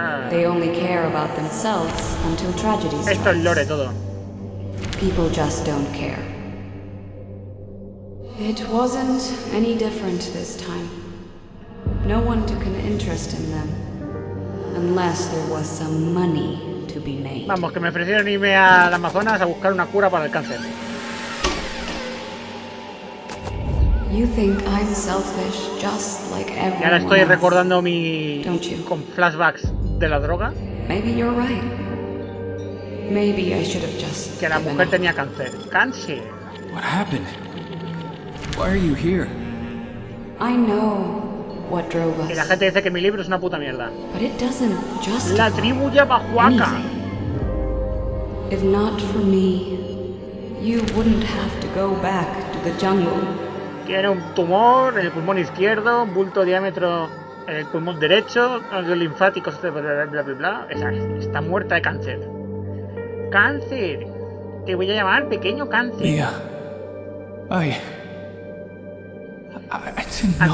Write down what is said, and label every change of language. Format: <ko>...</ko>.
<en>They only care about themselves until tragedy strikes.</en> <es>Esto es lore todo.</es> <en>People just don't care. It wasn't any different this time. No one took an interest in them. Unless there was some money to be made.</en> <es>Vamos, que me ofrecieron irme al Amazonas a buscar una cura para el cáncer.</es> <en>You think I'm selfish just like everyone.</en> <es>Y ahora estoy recordando mi con flashbacks de la droga.</es> <en>Maybe you're right. Maybe I should have just</en> <es>que la mujer tenía cáncer. Cáncer.</es> <en>What happened? Why are you here? I know what drove us.</en> <es>Y la gente dice que mi libro es una puta mierda.</es> <en>But it doesn't just</en> <es>la tribu ya va huaca.</es> <en>If not for me, you wouldn't have to go back to the jungle.</en> <es>Tiene un tumor en el pulmón izquierdo, un bulto de diámetro en el pulmón derecho, ganglios linfáticos, bla bla bla bla. Está muerta de cáncer. Cáncer. Te voy a llamar pequeño cáncer.</es> <en>Mia. I didn't know.</en>